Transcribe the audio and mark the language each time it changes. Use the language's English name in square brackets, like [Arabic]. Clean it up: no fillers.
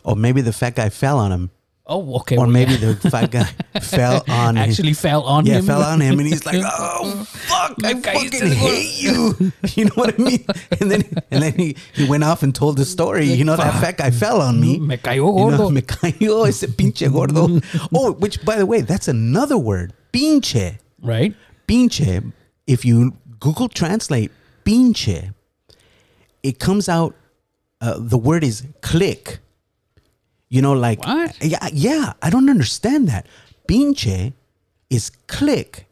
[English] Or maybe the fat guy fell on him. Oh, okay. Or maybe the fat guy fell on him. Actually fell on him. Yeah, fell on him, and he's like, oh, fuck, I fucking hate you. You know what I mean? And then he went off and told the story. You know, that fat guy fell on me. [Spanish] Me cayó gordo. Me cayó ese pinche gordo. [English] Oh, which, by the way, that's another word. Pinche. Right. Pinche. If you Google Translate pinche, it comes out, the word is click. You know, like, what? Yeah, I don't understand that. Pinche is click.